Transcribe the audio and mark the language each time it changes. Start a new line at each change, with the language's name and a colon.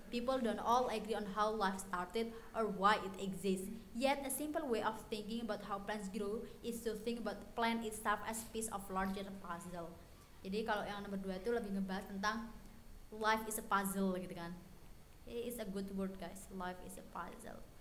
English: People don't all agree on how life started or why it exists. Yet, a simple way of thinking about how plants grow is to think about the plant itself as piece of larger puzzle.
Indonesian: Jadi kalau yang nomor 2 itu lebih ngebahas tentang
English: life is a puzzle
Indonesian: gitu kan.
English: It's a good word guys, life is a puzzle.